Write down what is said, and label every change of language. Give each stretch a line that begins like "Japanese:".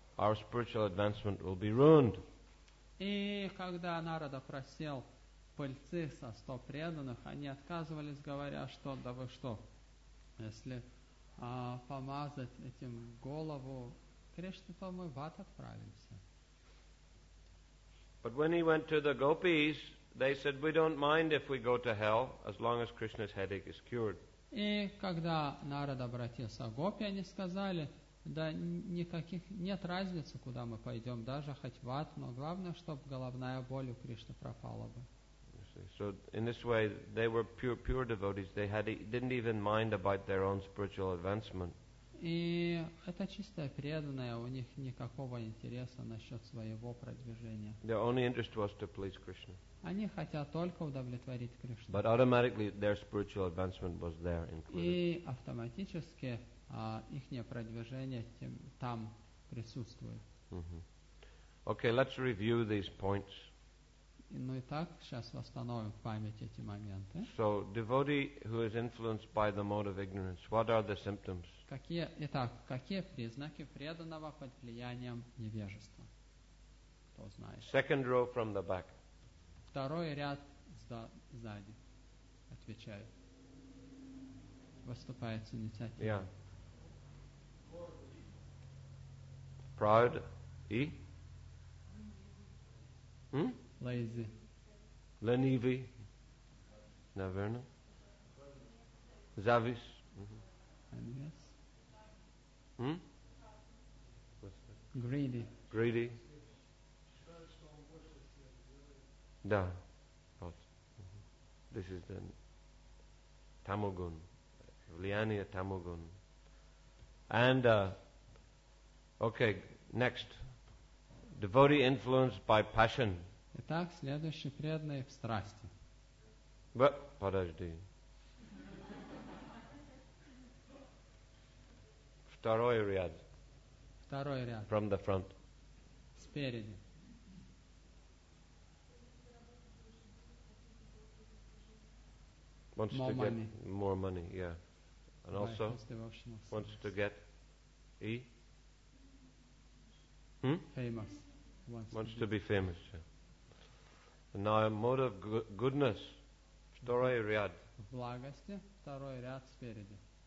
English: Our spiritual advancement will be ruined.
Russian: И когда Нарада просил пыльцы со стоп преданных, они отказывались, говоря, что да вы что, если помазать этим голову Кришне, то мы в ад отправимся.
English: But when he went to the gopis, they said, we don't mind if we go to hell, as long as Krishna's headache is cured.
Russian: И когда Нарада обратился к гопи, они сказали, да никаких нет разницы, куда мы пойдем, даже хоть в ад, но главное, чтобы головная боль у Кришны пропала бы.
English: So in this way, they were pure devotees. They didn't even mind about their own spiritual advancement.
Russian: И это чистое преданное, у них никакого интереса насчет своего продвижения.
English: Their only interest was to please Krishna.
Russian: Они хотят только удовлетворить Кришну.
English: But automatically their spiritual advancement was there included.
Russian: И автоматически их продвижение там присутствует.
English: Okay, let's review these points.
Russian: Ну и так, сейчас восстановим в память эти моменты.
English: So, devotee who is influenced by the mode of ignorance, what are the symptoms?
Russian: Какие признаки преданного под влиянием невежества? Кто знает?
English: Second row from the back.
Russian: Второй ряд сзади. Отвечаю. Выступает с инициативой.
English: Yeah. Proud и? Lazy.
Russian: Ленивый. Наверное. Завис.
English: Envious. Greedy.
Russian: Да. Вот.
English: This is the tamogun.
Russian: Влияние тамогун.
English: And, okay, next. Devotee influenced by passion.
Russian: Итак, следующий преданный в страсти. Подожди. Второй ряд.
English: From the front.
Russian: Спереди.
English: Wants more to money. Get more money, yeah. And by also wants to get E? Famous. Wants to be famous, yeah. Now, mode of goodness,
Russian: второй ряд. В благости, второй ряд спереди.